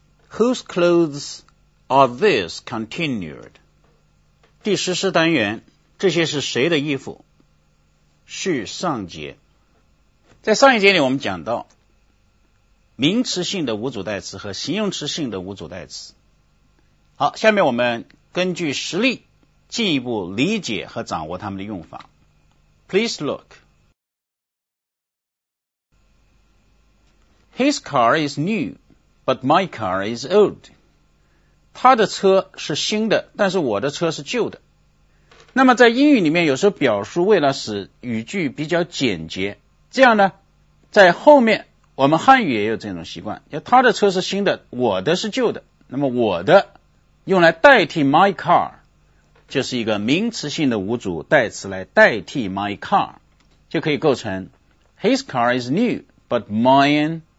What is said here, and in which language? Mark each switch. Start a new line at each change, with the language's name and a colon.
English: Whose clothes are this continued?
Chinese: 第十四单元，这些是谁的衣服？续上节。在上一节里我们讲到，名词性的无主代词和形容词性的无主代词。好，下面我们根据实例进一步理解和掌握它们的用法。
English: Please look. His car is new, but my car is old.
Chinese: 他的车是新的，但是我的车是旧的。那么在英语里面，有时候表述为了使语句比较简洁，这样呢，在后面我们汉语也有这种习惯，就他的车是新的，我的是旧的。那么我的用来代替 my car，就是一个名词性的无主代词来代替 my car， 就可以构成 His car is new, but mine.